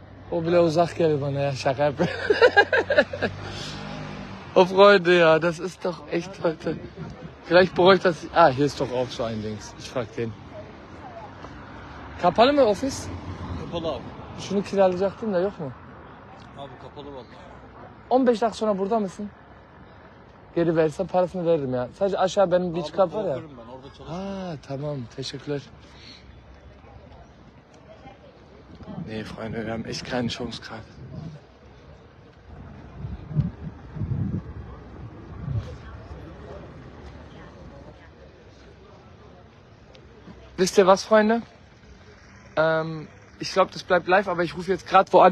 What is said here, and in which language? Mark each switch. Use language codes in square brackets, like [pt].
[tr] O bile uzak geldi bana ya, şaka yapıyor. [de] O Freunde ya, das ist doch echt heute. Vielleicht bräuchte das... Ah, hier ist doch auch so ein Dings. Ich frag den. [tr] Kapalı mı ofis? Kapalı abi. Şunu kiralayacaktım da yok mu? Abi kapalı vallahi. 15 dakika sonra burada mısın? Geri verirsen parasını veririm ya. Sadece aşağı benim beach club var ya. Abi korkarım ben, orada çalışıyorum. Ha tamam, teşekkürler. [de] Nee, Freunde, wir haben echt keine Chance gerade. Wisst ihr was, Freunde? Ich glaube, das bleibt live, aber ich rufe jetzt gerade wo an.